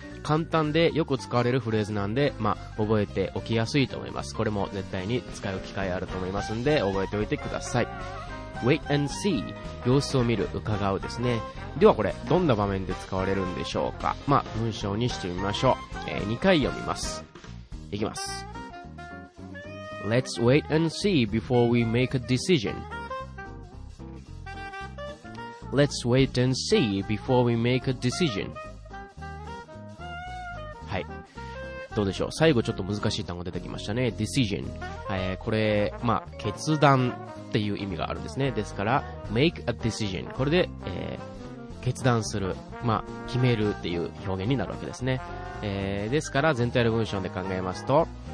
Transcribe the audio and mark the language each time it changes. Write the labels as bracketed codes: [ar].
[ja] 簡単でよく使われるフレーズなんで、まあ覚えておきやすいと思います。これも絶対に使う機会あると思いますんで覚えておいてください。 Wait and see、 様子を見る、伺うですね。ではこれどんな場面で使われるんでしょうか。まあ文章にしてみましょう、2回読みます。いきます。 [en] Let's wait and see before we make a decision. Let's wait and see before we make a decision. [ja] はい、どうでしょう。最後ちょっと難しい単語出てきましたね。 Decision、これまあ決断っていう意味があるんですね。ですから make a decision、 これで、決断する、まあ決めるっていう表現になるわけですね。ですから全体の文章で考えますと。